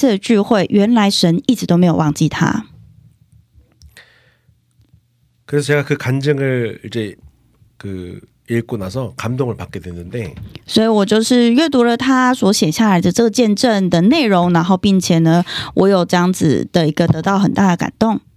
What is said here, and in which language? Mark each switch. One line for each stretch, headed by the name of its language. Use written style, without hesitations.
Chinese: 他那时候留下的一个感动就是说他一直以来认为神是已经遗忘了他，但是透过这次的聚会，原来神一直都没有忘记他。
Korean: 그래서 제가 그 간증을 이제 그 읽고 나서 감동을 받게 됐는데.
Chinese: 所以我就是阅读了他所写下来的这个见证的内容，然后并且呢，我有这样子的一个得到很大的感动。